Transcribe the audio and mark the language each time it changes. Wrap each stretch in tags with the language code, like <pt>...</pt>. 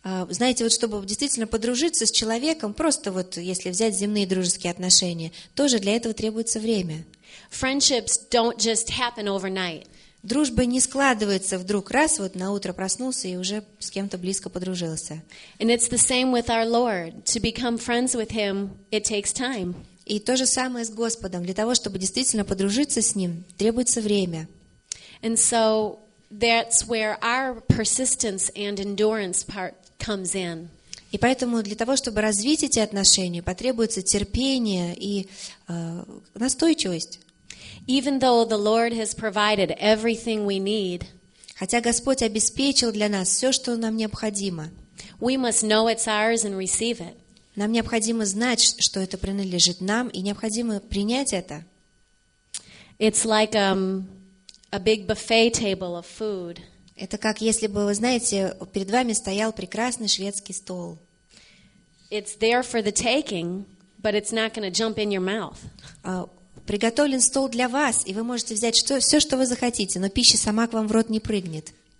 <ru>Знаете, вот чтобы действительно подружиться с человеком, просто вот если взять земные дружеские отношения, тоже для этого требуется время.</ru> <en>Friendships don't just happen overnight.</en> <ru>Дружба не складывается вдруг раз, вот на утро проснулся и уже с кем-то близко подружился.</ru> <en>And it's the same with our Lord. To become friends with Him, it takes time.</en> <ru>И то же самое с Господом. Для того, чтобы действительно подружиться с Ним, требуется время.</ru> <en>And so that's where our persistence and endurance part comes in.</en> <ru>И поэтому для того, чтобы развить эти отношения, потребуется терпение и настойчивость.</ru> <en>Even though the Lord has provided everything we need,</en> <ru>хотя Господь обеспечил для нас все, что нам необходимо,</ru> <en>we must know it's ours and receive it.</en> <ru>Нам необходимо знать, что это принадлежит нам, и необходимо принять это.</ru> <en>It's like a big buffet table of food.</en> <ru>Это как если бы, вы знаете, перед вами стоял прекрасный шведский стол.</ru> <en>It's there for the taking, but it's not going to jump in your mouth.</en> <ru>Приготовлен стол для вас, и вы можете взять все, что вы захотите, но пища сама к вам в рот не прыгнет.</ru>